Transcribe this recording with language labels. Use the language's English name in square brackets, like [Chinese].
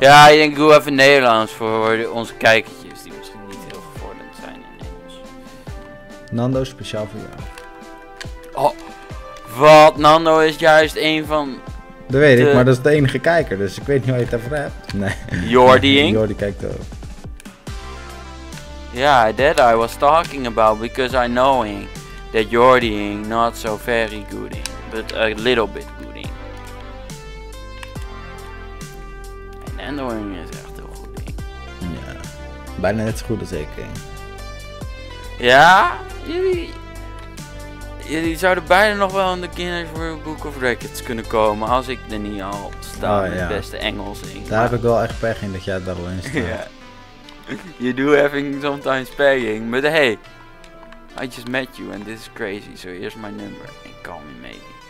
[Dutch] Ja, ik denk ik doe even Nederlands voor onze kijkertjes die misschien niet heel gevorderd zijn in Engels. Nando, speciaal voor jou. Oh, wat? Nando is juist een van... Dat weet ik, maar dat is de enige kijker, dus ik weet niet hoe je het daarvoor hebt. Nee. Jordi Ink? Jordi kijkt ook. [English] Ja, that I was talking about, because I knowing that Jordi Ink not so very good in, but a little bit good in. [Dutch] En Nando is echt heel goed in. Ja, bijna net zo goed als ik in. Ja, jullie... Jullie zouden bijna nog wel in de Guinness World Book of Records kunnen komen als ik er niet al sta in het beste Engels in. Daar heb ik wel echt pech in dat jij daar wel in staat. Ja. [English] You do having sometimes pegging, but hey, I just met you and this is crazy, so here's my number and call me maybe.